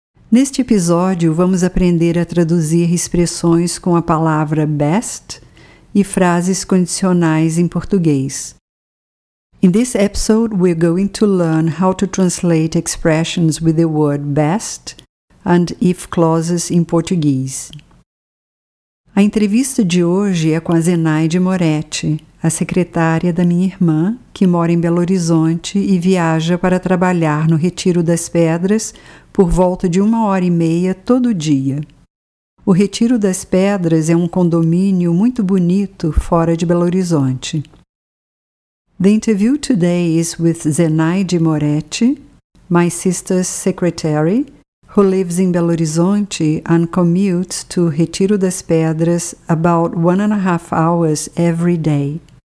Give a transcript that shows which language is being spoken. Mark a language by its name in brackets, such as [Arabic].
[Portuguese] Neste episódio, vamos aprender a traduzir expressões com a palavra best e frases condicionais em português. [English] In this episode, we're going to learn how to translate expressions with the word best and if clauses in Portuguese. [Portuguese] A entrevista de hoje é com a Zenaide Moretti, a secretária da minha irmã, que mora em Belo Horizonte e viaja para trabalhar no Retiro das Pedras por volta de 1h30 todo dia. O Retiro das Pedras é um condomínio muito bonito fora de Belo Horizonte. [English] The interview today is with Zenaide Moretti, my sister's secretary, who lives in Belo Horizonte and commutes to Retiro das Pedras about 1.5 hours every day.